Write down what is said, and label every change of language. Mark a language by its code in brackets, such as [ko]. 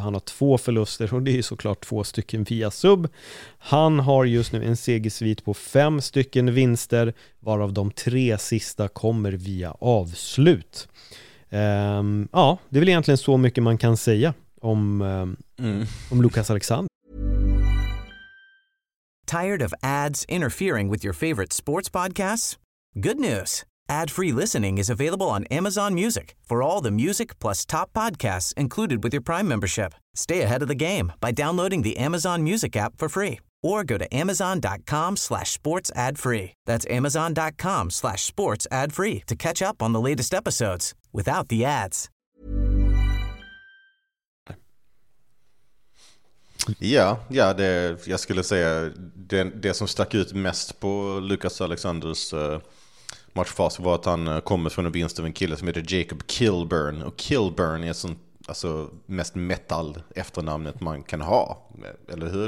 [sv] Han har 2 förluster, och det är såklart 2 stycken via sub. Han har just nu en segersvit på 5 stycken vinster, varav de 3 sista kommer via avslut. Ja, det är väl egentligen så mycket man kan säga om Lucas Alexander. [en] Tired of ads interfering with your favorite sports podcasts? Good news. Ad-free listening is available on Amazon Music for all the music plus top podcasts included with your Prime membership. Stay ahead of the game by downloading the Amazon Music app for free, or go to amazon.com/sportsadfree. That's amazon.com/sportsadfree to catch up on the latest episodes without the ads. [sv] Ja, det, jag skulle säga det som stack ut mest på Lucas Alexanders matchfas var att han kommer från en vinst av en kille som heter Jacob Kilburn. Och Kilburn är sånt, alltså, mest metal efternamnet man kan ha. Eller hur?